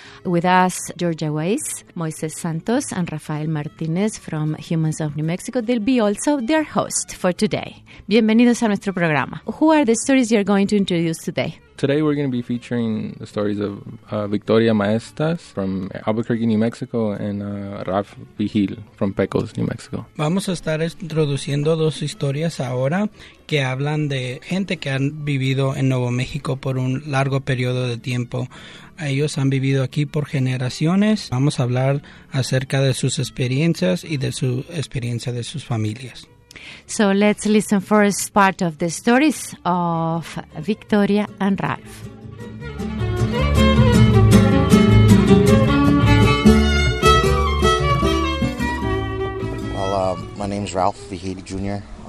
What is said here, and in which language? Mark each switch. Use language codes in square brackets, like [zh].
[en] With us, Georgia Weiss, Moises Santos, and Rafael Martinez from Humans of New Mexico. They'll be also their host for today. [es] Bienvenidos a nuestro programa. [en] Who are the stories you're going to introduce today? Today we're going to be featuring the stories of Victoria Maestas from Albuquerque, New Mexico, and Raf Vigil from Pecos, New Mexico. [es] Vamos a estar introduciendo dos historias ahora que hablan de gente que han vivido en Nuevo México por un largo periodo de tiempo. Ellos han vivido aquí por generaciones. Vamos a hablar acerca de sus experiencias y de su experiencia de sus familias. [en] So let's listen first part of the stories of Victoria and Ralph. Well, my name is Ralph Vigil Jr.